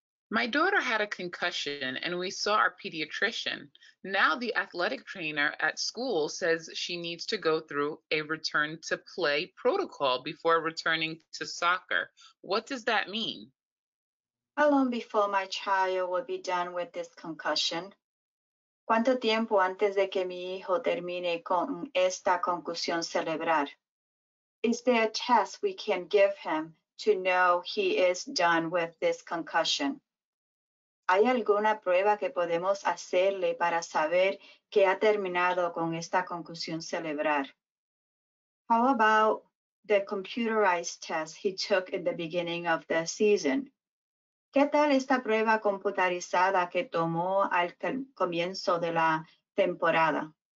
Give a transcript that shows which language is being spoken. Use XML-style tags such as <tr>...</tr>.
<en>My daughter had a concussion and we saw our pediatrician. Now the athletic trainer at school says she needs to go through a return to play protocol before returning to soccer. What does that mean? How long before my child will be done with this concussion?</en> <es>¿Cuánto tiempo antes de que mi hijo termine con esta concusión cerebral?</es> <en>Is there a test we can give him to know he is done with this concussion?</en> <es>¿Hay alguna prueba que podemos hacerle para saber que ha terminado con esta concusión cerebral?</es> <en>How about the computerized test he took in the beginning of the season?</en> <es>¿Qué tal esta prueba computarizada que tomó al comienzo de la temporada?</es>